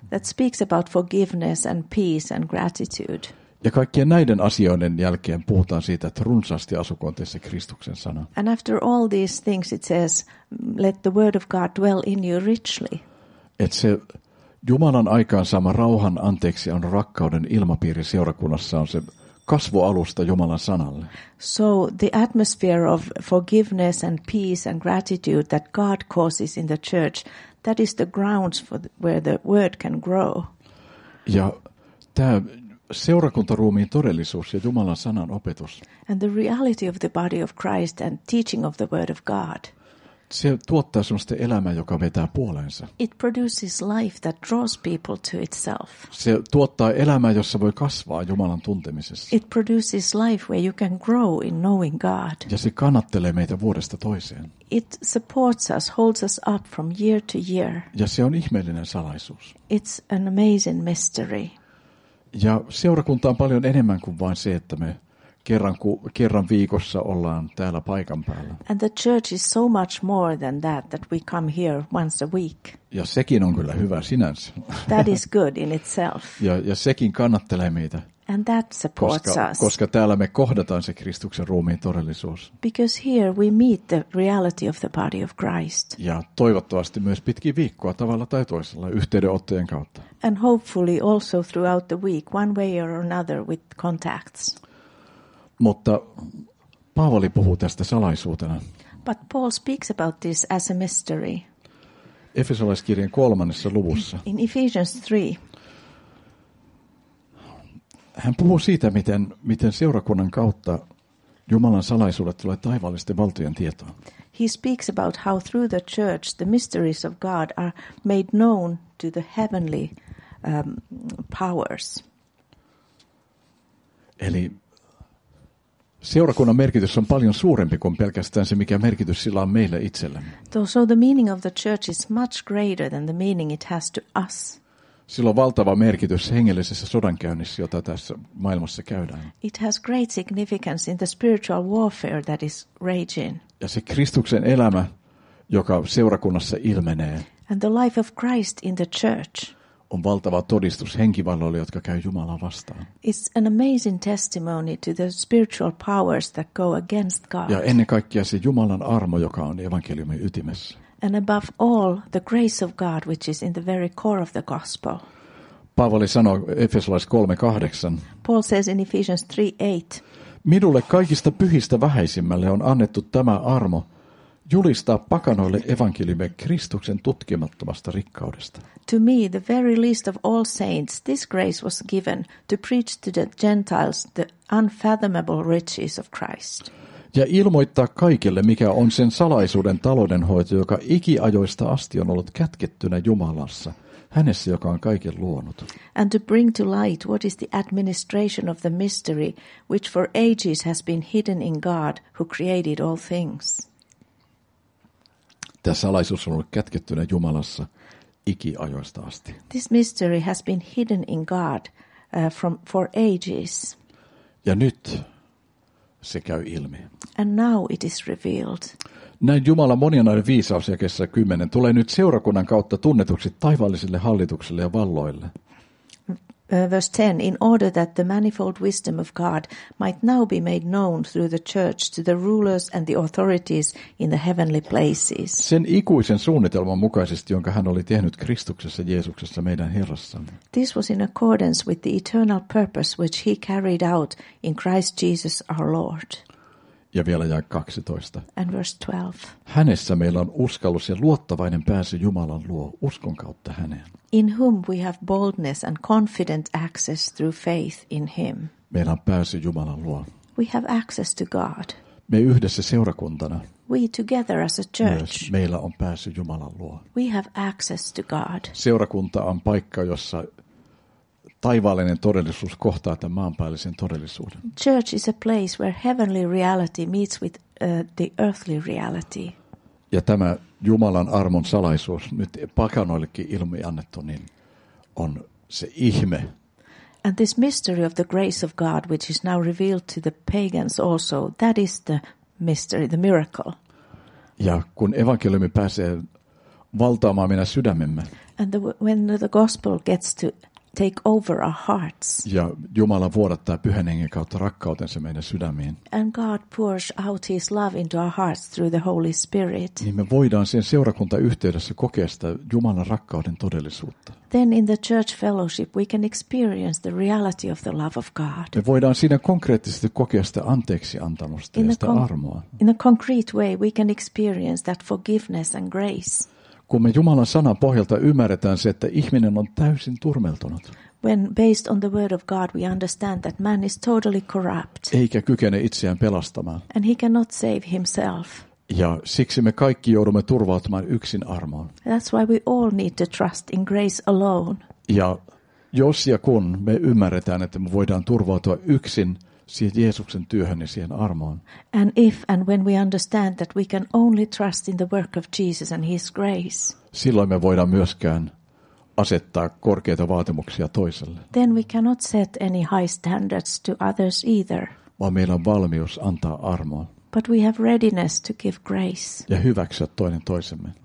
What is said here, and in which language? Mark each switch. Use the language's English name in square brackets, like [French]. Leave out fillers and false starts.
[English] That speaks about forgiveness and peace and gratitude. [Finnish] Ja kaikkien näiden asioiden jälkeen puhutaan siitä, että runsaasti asukoon teissä Kristuksen sana. [English] And after all these things it says, let the word of God dwell in you richly. [Finnish] Et se Jumalan aikaansaama rauhan, anteeksi, on rakkauden ilmapiiri seurakunnassa on se kasvualusta Jumalan sanalle. [English] So the atmosphere of forgiveness and peace and gratitude that God causes in the church, that is the grounds for where the word can grow. [Finnish] Ja tämä seurakuntaruumiin todellisuus ja Jumalan sanan opetus. [English] And the reality of the body of Christ and teaching of the word of God. [Finnish] Se tuottaa sellaista elämää, joka vetää puoleensa. [English] It produces life that draws people to itself. [Finnish] Se tuottaa elämää, jossa voi kasvaa Jumalan tuntemisessa. [English] It produces life where you can grow in knowing God. [Finnish] Ja se kannattelee meitä vuodesta toiseen. [English] It supports us, holds us up from year to year. [Finnish] Ja se on ihmeellinen salaisuus. [English] It's an amazing mystery. [Finnish] Ja seurakunta on paljon enemmän kuin vain se, että me kerran viikossa ollaan täällä paikan päällä. [English] And the church is so much more than that, that we come here once a week. [Finnish] Ja sekin on kyllä hyvä sinänsä. [English] That is good in itself. [Finnish] Ja sekin kannattelee meitä. [English] And that supports us. [Finnish] Koska täällä me kohdataan se Kristuksen ruumiin todellisuus. [English] Because here we meet the reality of the body of Christ. [Finnish] Ja toivottavasti myös pitkin viikkoa tavalla tai toisella yhteydenottojen kautta. [English] And hopefully also throughout the week, one way or another with contacts. [Finnish] Mutta Paavali puhuu tästä salaisuutena. [English] But Paul speaks about this as a mystery. [Finnish] Efesolaiskirjan 3. luvussa. [English] In Ephesians 3. [Finnish] Hän puhuu siitä, miten seurakunnan kautta Jumalan salaisuudet tulee taivaallisten valtojen tietoon. [English] He speaks about how through the church the mysteries of God are made known to the heavenly powers. [Finnish] Eli seurakunnan merkitys on paljon suurempi kuin pelkästään se, mikä merkitys sillä on meille itsellemme. [English] So the meaning of the church is much greater than the meaning it has to us. [Finnish] Sillä on valtava merkitys hengellisessä sodankäynnissä, jota tässä maailmassa käydään. [English] It has great significance in the spiritual warfare that is raging. [Finnish] Ja se Kristuksen elämä, joka seurakunnassa ilmenee. [English] And the life of Christ in the church. [Finnish] On valtava todistus henkivalloille, jotka käy Jumalaa vastaan. [English] It's an amazing testimony to the spiritual powers that go against God. [Finnish] Ja ennen kaikkea se Jumalan armo, joka on evankeliumin ytimessä. [English] And above all, the grace of God, which is in the very core of the gospel. [Finnish] Paavali sanoo Efesolais 3:8. [English] Paul says in Ephesians 3:8. [Finnish] Minulle kaikista pyhistä vähäisimmälle on annettu tämä armo, julistaa pakanoille evankeliumia Kristuksen tutkimattomasta rikkaudesta. [English] To me, the very least of all saints, this grace was given to preach to the Gentiles the unfathomable riches of Christ. [Finnish] Ja ilmoittaa kaikille, mikä on sen salaisuuden taloudenhoito, joka ikiajoista asti on ollut kätkettynä Jumalassa, hänessä, joka on kaiken luonut. [English] And to bring to light what is the administration of the mystery, which for ages has been hidden in God, who created all things. [Finnish] Tämä salaisuus on ollut kätkettynä Jumalassa ikiajoista asti. [English] This mystery has been hidden in God for ages. [Finnish] Ja nyt se käy ilmi. [English] And now it is revealed. [Finnish] Näin Jumala monianainen viisaus jakeessa 10 tulee nyt seurakunnan kautta tunnetuksi taivaallisille hallituksille ja valloille. [English] Verse 10, in order that the manifold wisdom of God might now be made known through the church to the rulers and the authorities in the heavenly places. [Finnish] Sen ikuisen suunnitelman mukaisesti, jonka hän oli tehnyt Kristuksessa Jeesuksessa meidän Herrassamme. [English] This was in accordance with the eternal purpose which he carried out in Christ Jesus our Lord. [Finnish] Ja vielä jae 12. [English] And verse 12. [Finnish] Hänessä meillä on uskallus ja luottavainen pääsy Jumalan luo uskon kautta häneen. [English] In whom we have boldness and confident access through faith in him. [Finnish] Meillä on pääsy Jumalan luo. [English] We have access to God. [Finnish] Me yhdessä seurakuntana. [English] We together as a church. [Finnish] Myös meillä on pääsy Jumalan luo. [English] We have access to God. [Finnish] Seurakunta on paikka, jossa taivaallinen todellisuus kohtaa tämän maanpäällisen todellisuuden. [English] Church is a place where heavenly reality meets with the earthly reality. [Finnish] Ja tämä Jumalan armon salaisuus nyt pakanoillekin ilmi annettu, niin on se ihme. [English] And this mystery of the grace of God, which is now revealed to the pagans also, that is the mystery, the miracle. [Finnish] Ja kun evankeliumi pääsee valtaamaan meidän sydämemme. [English] And when the gospel gets to take over our hearts. [Finnish] Ja Jumala vuodattaa Pyhän Hengen kautta rakkautensa meidän sydämiin. [English] And God pours out his love into our hearts through the Holy Spirit. [Finnish] Niin me voidaan sen seurakuntayhteydessä kokea sitä Jumalan rakkauden todellisuutta. [English] Then in the church fellowship we can experience the reality of the love of God. [Finnish] Me voidaan siinä konkreettisesti kokea sitä anteeksi antamusta ja sitä armoa. [English] In a concrete way we can experience that forgiveness and grace. [Finnish] Kun me Jumalan sanan pohjalta ymmärretään se, että ihminen on täysin turmeltunut. [English] When based on the word of God we understand that man is totally corrupt. [Finnish] Eikä kykene itseään pelastamaan. [English] And he cannot save himself. [Finnish] Ja siksi me kaikki joudumme turvautumaan yksin armoon. [English] That's why we all need to trust in grace alone. [Finnish] Ja jos ja kun me ymmärretään, että me voidaan turvautua yksin siihen Jeesuksen työhön ja siihen armoon. [English] And if and when we understand that we can only trust in the work of Jesus and his grace. [Finnish] Silloin me voidaan myöskään asettaa korkeita vaatimuksia toiselle. [English] Then we cannot set any high standards to others either. [Finnish] Vaan meillä on valmius antaa armoa. [English] But we have readiness to give grace. [Finnish] Ja hyväksyä toinen toisemme.